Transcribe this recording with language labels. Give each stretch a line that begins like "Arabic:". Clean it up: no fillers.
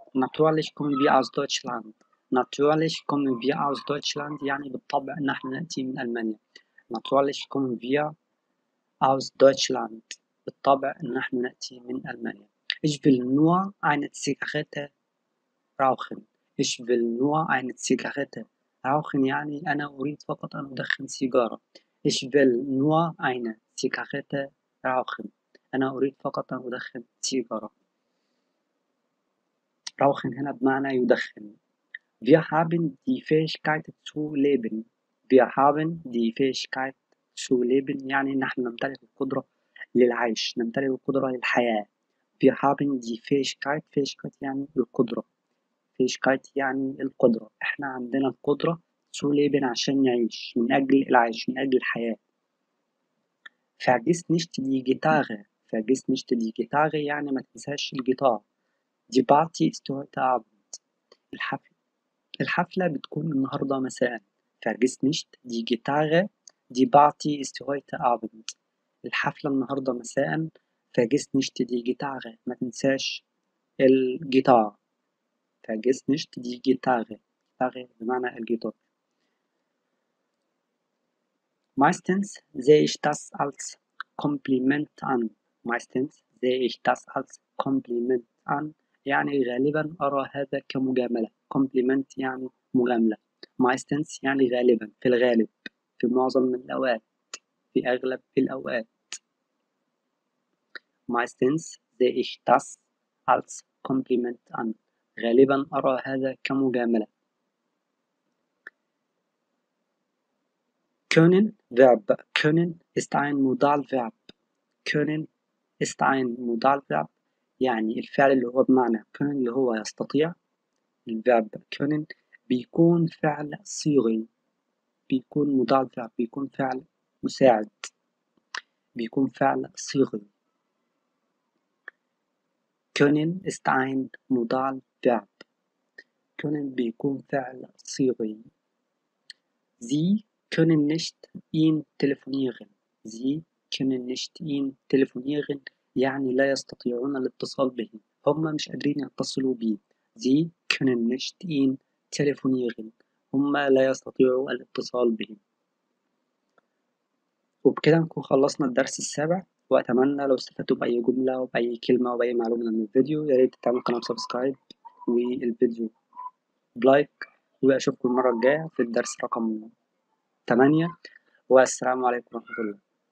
German: Natürlich kommen wir aus Deutschland. Natürlich kommen wir aus Deutschland,
Arabic: يعني بالطبع نحن نأتي من ألمانيا.
German: Natürlich kommen wir aus Deutschland,
Arabic: بالطبع نحن نأتي من ألمانيا.
German: Ich will nur eine Zigarette rauchen. Ich will nur eine Zigarette rauchen,
Arabic: يعني أنا أريد فقط أن أدخن سيجارة.
German: Ich will nur eine Zigarette rauchen.
Arabic: أنا أريد فقط أن أدخن سيجارة. Rauchen هنا بمعنى يدخن.
German: Wir haben die Fähigkeit zu leben. Wir haben die Fähigkeit zu leben.
Arabic: يعني نحن نمتلك القدرة للعيش. نمتلك القدرة للحياة.
German: Wir haben die Fähigkeit.
Arabic: Fähigkeit يعني القدرة. Fähigkeit يعني القدرة. إحنا عندنا القدرة
German: zu leben
Arabic: عشان نعيش. من أجل العيش. من أجل الحياة.
German: Vergiss nicht die Gitarre. Vergiss nicht die Gitarre.
Arabic: يعني ما تنساش الجيتار.
German: Die Party ist heute Abend.
Arabic: الحفلة بتكون النهاردة مساء.
German: Vergiss nicht die Gitarre. Die Party ist heute Abend.
Arabic: الحفلة النهاردة مساء.
German: Vergiss nicht die Gitarre.
Arabic: ما تنساش الجيتار.
German: Vergiss nicht die Gitarre.
Arabic: Gitarre بمعنى الجيتار.
German: Meistens sehe ich das als Kompliment an. Meistens sehe ich das als Kompliment an.
Arabic: يعني غالبا أرى هذا كمجاملة. Compliment يعني مجاملة. Meistens يعني غالبا في الغالب في معظم الأوقات في أغلب الأوقات.
German: Meistens sehe ich das als Compliment an.
Arabic: غالبا أرى هذا كمجاملة.
German: Können Verb. Können ist ein Modal Verb. Können ist ein Modal Verb.
Arabic: يعني الفعل اللي هو بمعنى können اللي هو يستطيع. الverb können بيكون فعل صيغي، بيكون مضاد فعل، بيكون فعل مساعد، بيكون فعل صيغي.
German: können ist ein modal verb.
Arabic: können بيكون فعل صيغي.
German: sie können nicht ihn telefonieren. sie können nicht ihn telefonieren
Arabic: يعني لا يستطيعون الاتصال به، هم مش قادرين يتصلوا به.
German: sie können nicht ihn telefonieren.
Arabic: هم لا يستطيعوا الاتصال به. وبكده نكون خلصنا الدرس السابع، وأتمنى لو استفدتوا بأي جملة وبأي كلمة وبأي معلومة من الفيديو، يا ريت تعملوا قناة سبسكرايب والفيديو بلايك، وأشوفكم المرة الجاية في الدرس رقم 8، والسلام عليكم ورحمة الله.